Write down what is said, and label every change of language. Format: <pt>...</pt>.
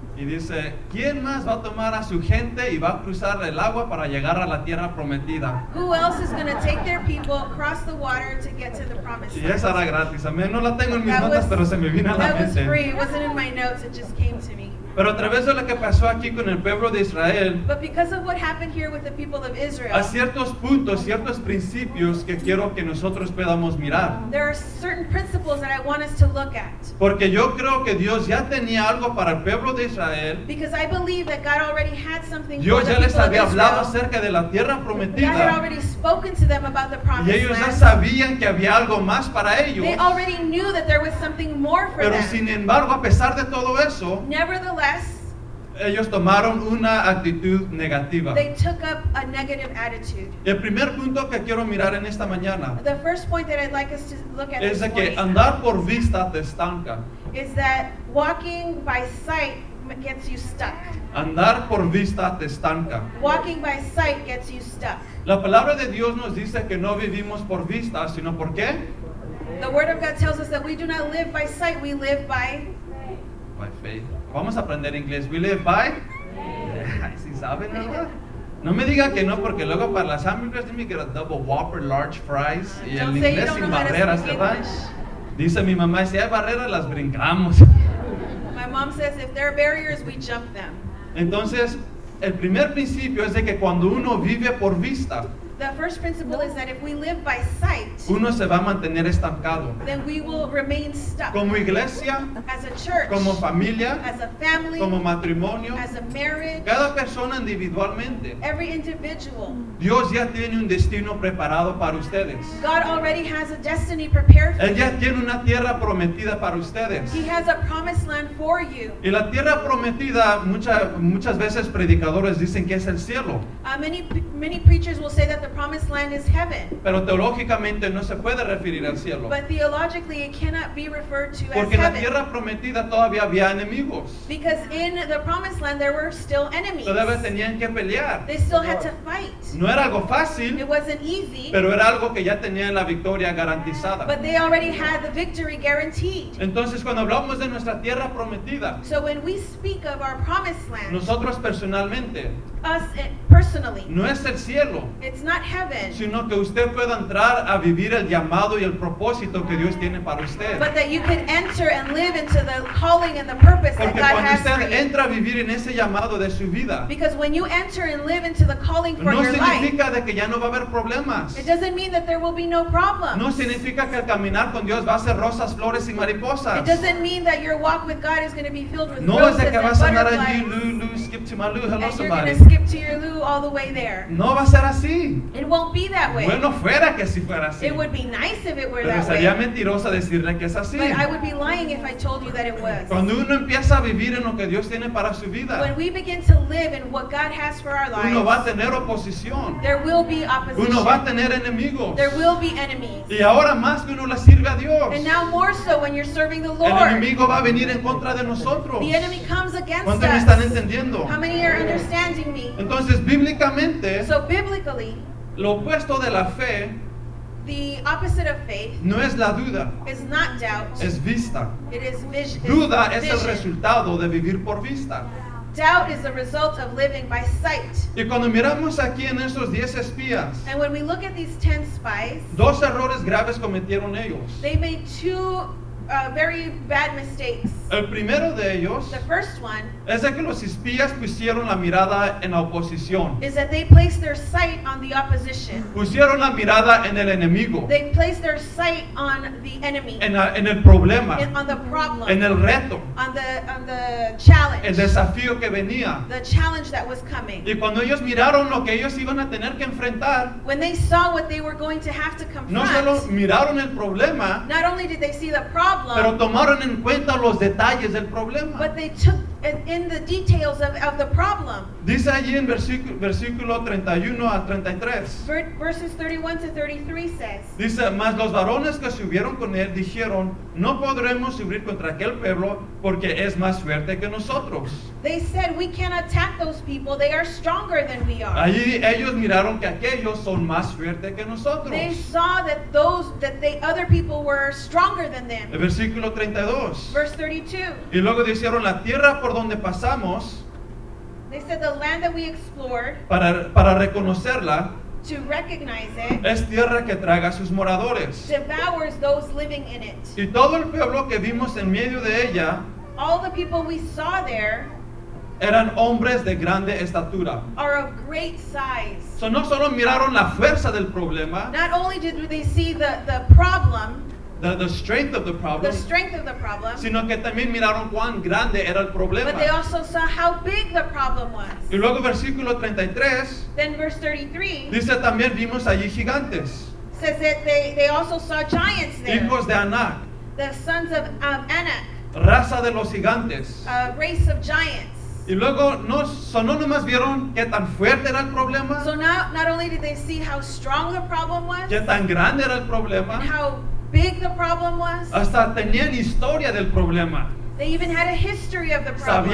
<es>Y dice, ¿quién más va a tomar a su gente y va a cruzar el agua para llegar a la tierra prometida?</es> <en>Who else is going to take their people across the water to get to the promised land?</en> <es>Y esa era gratis. A mí no la tengo en mis notas, pero se me vino a la mente.</es> <en>That was free. It wasn't in my notes. It just came to me.</en> <es>Pero a través de lo que pasó aquí con el pueblo de Israel,</es> <en>but because of what happened here with the people of Israel,</en> <es>a ciertos puntos, ciertos principios que quiero que nosotros podamos mirar.</es> <en>There are certain principles that I want us to look at.</en> <es>Porque yo creo que Dios ya tenía algo para el pueblo de Israel.</es> <en>Because I believe that God already had something</en> <es>Dios</es> <en>for the people of Israel.</en> <es>Dios ya les había hablado acerca de la tierra prometida.</es> <en>God had already spoken to them about the promised land.</en> <es>Y ellos</es> <en>land.</en> <es>Ya sabían que había algo más para ellos.</es> <en>They already knew that there was something more for</en> <es>pero</es> <en>them.</en> <es>Pero sin embargo, a pesar de todo eso,</es> <en>nevertheless,</en> <es>ellos tomaron una actitud negativa.</es> <en>They took up a negative attitude.</en> <es>El primer punto que quiero mirar en esta mañana,</es> <en>the first point that I'd like us to look at,</en> <es>es de que andar por vista te estanca.</es> <en>Is that walking by sight gets you stuck.</en> <es>Andar por vista te estanca.</es> <en>Walking by sight gets you stuck.</en> <es>La palabra de Dios nos dice que no vivimos por vista, sino por qué?</es> <en>The word of God tells us that we do not live by sight, we live by faith. By faith.</en> <es>Vamos a aprender inglés.</es> <en>We live by faith.</en> <es>¿Sí saben, verdad? No me diga que no, porque luego para las hamburguesas dime que era</es> <en>double whopper, large fries,</en> <es>y</es> <en>don't</en> <es>el inglés sin barreras, ¿verdad? Dice mi mamá, si hay barreras, las brincamos.</es> <en>My mom says, if there are barriers, we jump them.</en> <es>Entonces, el primer principio es de que cuando uno vive por vista,</es> <en>the first principle is that if we live by sight,</en> <es>uno se va a mantener estancado.</es> <en>Then we will remain stuck.</en> <es>Como iglesia,</es> <en>as a church,</en> <es>como familia,</es> <en>as a family,</en> <es>como matrimonio,</es> <en>as a marriage,</en> <es>cada persona individualmente,</es> <en>every individual,</en> <es>Dios ya tiene un destino preparado para ustedes.</es> <en>God already has a destiny prepared for you.</en> <es>Él ya tiene una tierra prometida para ustedes.</es> <en>He has a promised land for you.</en> <es>Y la tierra prometida, muchas veces predicadores dicen que es el cielo.</es> <en>Many preachers will say that the promised land is heaven.</en> <es>Pero teológicamente no se puede referir al cielo.</es> <en>But theologically it cannot be referred to</en> <es>porque Porque en la tierra prometida todavía había enemigos.</es> <en>Because in the promised land there were still enemies.</en> <es>Todavía tenían que pelear.</es> <en>They still had to fight.</en> <es>No era algo fácil.</es> <en>It wasn't easy.</en> <es>Pero era algo que ya tenían la victoria garantizada.</es> <en>But they already had the victory guaranteed.</en> <es>Entonces cuando hablamos de nuestra tierra prometida,</es> <en>so when we speak of our promised land,</en> <es>nosotros personalmente,</es> <en>us personally,</en> <es>no es el cielo.</es> <en>It's not heaven,</en> <es>sino que usted pueda entrar a vivir el llamado y el propósito que Dios tiene para usted.</es> <en>But that you can enter and live into the calling and the purpose</en> <es>porque</es> <en>that God has for you.</en> <es>Porque cuando usted entra a vivir en ese llamado de su vida,</es> <en>because when you enter and live into the calling for</en> <es>no</es> <en>your life,</en> <es>no significa de que ya no va a haber problemas.</es> <en>It doesn't mean that there will be no problems.</en> <es>No significa que el caminar con Dios va a ser rosas, flores y mariposas.</es> <en>It doesn't mean that your walk with God is going to be filled with</en> <es>no</es> <en>roses.</en> <es>No es de que vas a andar allí,</es> <en>skip to my loo, hello somebody. Skip to your loo all the way there.</en> <es>No va a ser así.</es> <en>It won't be that way.</en> <es>Bueno fuera que si fuera así.</es> <en>It would be nice if it were</en> <es>pero</es> <en>that</en> <es>sería Sería mentirosa decirle que es así.</es> <en>But I would be lying if I told you that it was.</en> <es>Cuando uno empieza a vivir en lo que Dios tiene para su vida,</es> <en>when we begin to live in what God has for our lives,</en> <es>uno va a tener oposición.</es> <en>There will be opposition.</en> <es>Uno va a tener enemigos.</es> <en>There will be enemies.</en> <es>Y ahora más que uno le sirve a Dios.</es> <en>And now more so when you're serving the Lord.</en> <es>El enemigo va a venir en contra de nosotros.</es> <en>The enemy comes against</en> <es>¿cuánto</es> <en>us?</en> <es>¿Cuánto me están entendiendo?</es> <en>How many are understanding me?</en> <es>Entonces, bíblicamente,</es> <en>so biblically,</en> <es>lo opuesto de la fe,</es> <en>the opposite of faith,</en> <es>no es la duda,</es> <en>is not doubt,</en> <es>es vista.</es> <en>It is vision.</en> <es>Duda es el resultado de vivir por vista.</es> <en>Doubt is the result of living by sight.</en> <es>Y cuando miramos aquí en esos 10 espías,</es> <en>and when we look at these 10 spies,</en> <es>dos errores graves cometieron ellos.</es> <en>They made two very bad mistakes.</en> <es>El primero de ellos,</es> <en>the first one,</en> <es>es de que los espías pusieron la mirada en la oposición.</es> <en>Is that they placed their sight on the opposition.</en> <es>Pusieron la mirada en el enemigo.</es> <en>They placed their sight on the enemy.</en> <es>En el problema.</es> <en>On the problem.</en> <es>En el reto.</es> <en>On the challenge.</en> <es>El desafío que venía.</es> <en>The challenge that was coming.</en> <es>Y cuando ellos miraron lo que ellos iban a tener que enfrentar,</es> <en>when they saw what they were going to have to confront,</en> <es>no solo miraron el problema,</es> <en>not only did they see the problem,</en> <es>pero tomaron en cuenta los detalles del problema.</es> <en>But they took in the details of the problem.</en> <es>Dice allí en versículo 31 al 33.</es> <en>Verses 31 to 33 says.</en> <es>Dice, mas los varones que subieron con él dijeron, no podremos subir contra aquel pueblo porque es más fuerte que nosotros.</es> <en>They said, we can't attack those people. They are stronger than we are.</en> <es>Allí ellos miraron que aquellos son más fuerte que nosotros.</es> <en>They saw that those, that the other people were stronger than them.</en> <es>El versículo 32.</es> <en>Verse 32.</en> <es>Y luego dijeron, la tierra por donde pasamos,</es> <en>they said the land that we explored,</en> <es>para reconocerla,</es> <en>to recognize it,</en> <es>es tierra que traga a sus moradores,</es> <en>devours those living in it,</en> <es>y todo el pueblo que vimos en medio de ella,</es> <en>all the people we saw there,</en> <es>eran hombres de grande estatura,</es> <en>are of great size.</en> <es>So no solo miraron la fuerza del problema,</es> <en>not only did they see the problem, the strength of the problem, the strength of the problem,</en> <es>sino que también miraron cuán grande era el problema.</es> <en>But they also saw how big the problem was.</en> <es>Y luego versículo 33,</es> <en>then verse 33,</en> <es>dice también vimos allí gigantes,</es> <en>says that they also saw giants there,</en> <es>hijos de Anak,</es> <en>the sons of Anak,</en> <es>raza de los gigantes,</es> <en>a race of giants.</en> <es>Y luego no nomás vieron qué tan fuerte era el problema.</es> <en>So not only did they see how strong the problem was,</en> <es>qué tan grande era el problema,</es> <en>and how big the problem was.</en> <es>Hasta tenían historia del problema.</es> <en>They even had a history of the problem.</en>